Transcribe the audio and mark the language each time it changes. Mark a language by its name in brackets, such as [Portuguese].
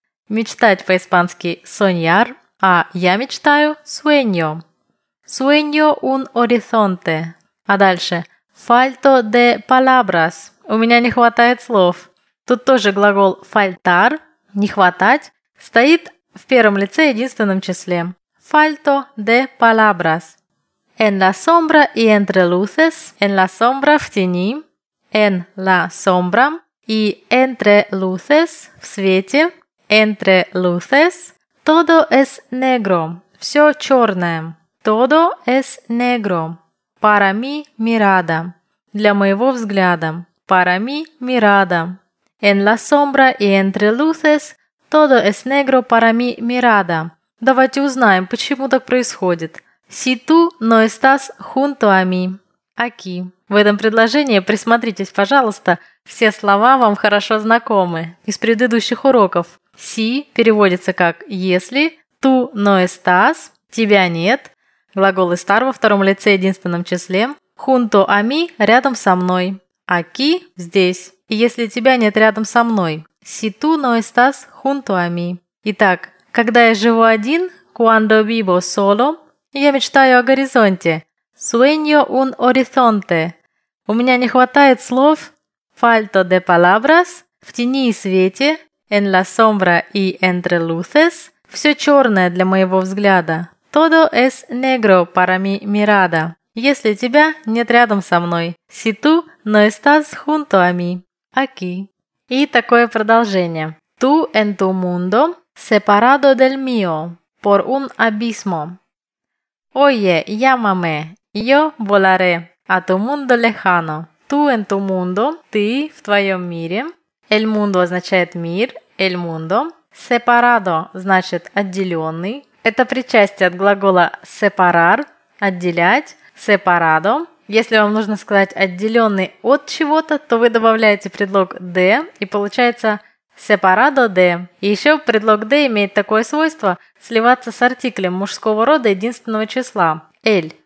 [Russian] Мечтать по-испански soñar, а я мечтаю sueño. [Spanish] Sueño un horizonte. [Russian] А дальше. [Spanish] Falto de palabras. [Russian] У меня не хватает слов. Тут тоже глагол faltar, не хватать, стоит в первом лице единственном числе. [Spanish] Falto de palabras. En la sombra y entre luces. En la sombra, [Russian] в тени. [Spanish] En la sombra. [Russian] И [Spanish] entre luces, [Russian] в свете. [Spanish] Entre luces. Todo es negro. [Russian] Все черное. [Spanish] Todo es negro. Para mi mirada. [Russian] Для моего взгляда. [Spanish] Para mi mirada. En la sombra y entre luces. Todo es negro para mi mirada. [Russian] Давайте узнаем, почему так происходит. [Spanish] Si tú no estás junto a mí. Aquí. [Russian] В этом предложении присмотритесь, пожалуйста. Все слова вам хорошо знакомы из предыдущих уроков. Si переводится как «если», [Spanish] «tú no estás», [Russian] «тебя нет», глагол «estar» во втором лице единственном числе, [Spanish] «junto a mí» [Russian] – «рядом со мной», «aquí» – «здесь», и «если тебя нет рядом со мной», [Spanish] «si tú no estás junto a mí». [Russian] Итак, «когда я живу один», [Spanish] «cuando vivo solo», [Russian] «я мечтаю о горизонте», [Spanish] «sueño un horizonte», [Russian] «у меня не хватает слов», [Spanish] «falto de palabras», [Russian] «в тени и свете», [Spanish] «En la sombra y entre luces» [Russian] – «Все черное для моего взгляда». [Spanish] «Todo es negro para mi mirada» – [Russian] «Если тебя нет рядом со мной». [Spanish] «Si tú no estás junto a mí» – «Aquí». [Russian] И такое продолжение. [Spanish] «Tú en tu mundo separado del mío» – «Por un abismo». «Oye, llámame, yo volaré a tu mundo lejano». «Tú en tu mundo» – [Russian] «Ты в твоем мире». El mundo означает мир, el mundo. Separado значит отделенный. Это причастие от глагола separar, отделять, separado. Если вам нужно сказать отделенный от чего-то, то вы добавляете предлог de, и получается separado de. И еще предлог de имеет такое свойство сливаться с артиклем мужского рода единственного числа, el.